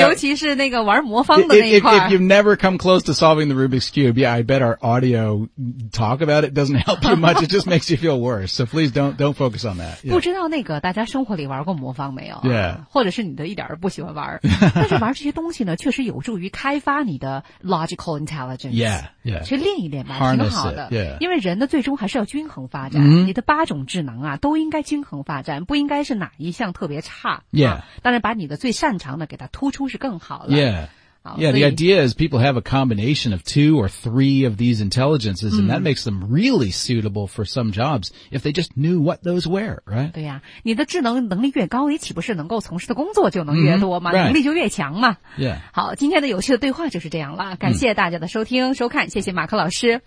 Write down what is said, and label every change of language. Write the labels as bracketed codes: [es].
[zh] 尤其是那个玩魔方的那一块。 [en] If you've never come close to solving the Rubik's Cube, yeah, I bet our audio talk about it doesn't help you much. It just makes you feel worse. So please don't focus on that. Yeah. [zh] 不知道那个大家生活里玩过魔方没有、啊、 [en] ？Yeah. [zh] 或者是你的一点儿不喜欢玩。但是玩这些东西呢，确实有助于开发你的 [en] logical intelligence. Yeah, yeah. [zh] 去练一练吧， [en] Harness、 [zh] 挺好的。 [en] It, yeah. [zh] 因为人呢，最终还是要均衡发展。 Mm-hmm. 你的八种智能啊，都应该均衡发展，不应该是哪一项特别差。 [en] Yeah. [zh] 当然把你的最擅长的给它突出是更好的。 [en] Yeah. Yeah, the idea is people have a combination of 2 or 3 of these intelligences, and that makes them really suitable for some jobs if they just knew what those were, right? [zh] 对呀、啊、你的智能能力越高，你岂不是能够从事的工作就能越多吗、能力就越强吗 [en] Yeah. [zh] 好，今天的有趣的对话就是这样了。感谢大家的收听、收看，谢谢马克老师。